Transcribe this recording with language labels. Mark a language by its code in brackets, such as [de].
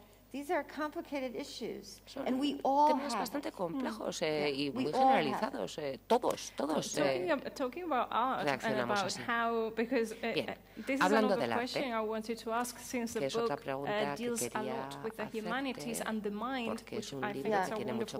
[en] These are complicated issues, and we all [es] temas bastante complejos y muy generalizados. Todos. [en] Talking about art and about how, because this is another question I wanted to ask, since the book deals a lot with the humanities and the mind, which I think is a wonderful